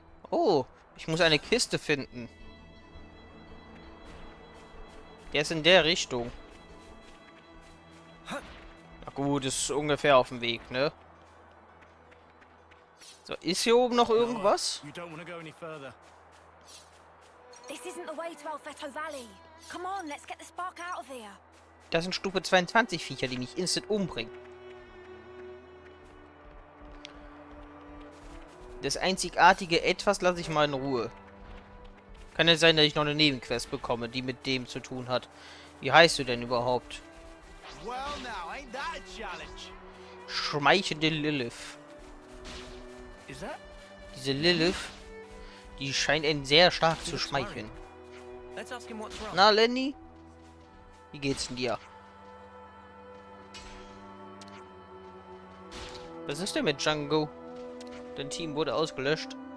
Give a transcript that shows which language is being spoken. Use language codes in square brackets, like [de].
[de] Oh, ich muss eine Kiste finden. Der ist in der Richtung. Na gut, ist ungefähr auf dem Weg, ne? So, ist hier oben noch irgendwas? [en] You don't want to go any further. This isn't the way to Alfetto Valley. Come on, let's get the spark out of here. [de] Das sind Stufe 22 Viecher, die mich instant umbringen. Das einzigartige Etwas lasse ich mal in Ruhe. Kann ja sein, dass ich noch eine Nebenquest bekomme, die mit dem zu tun hat. Wie heißt du denn überhaupt? [en] Well now, ain't that a challenge? [de] Schmeichende Lilith. Diese Lilith, die scheint ihn sehr stark zu schmeicheln. Na, Lenny? Wie geht's denn dir? Was ist denn mit Django? Dein Team wurde ausgelöscht.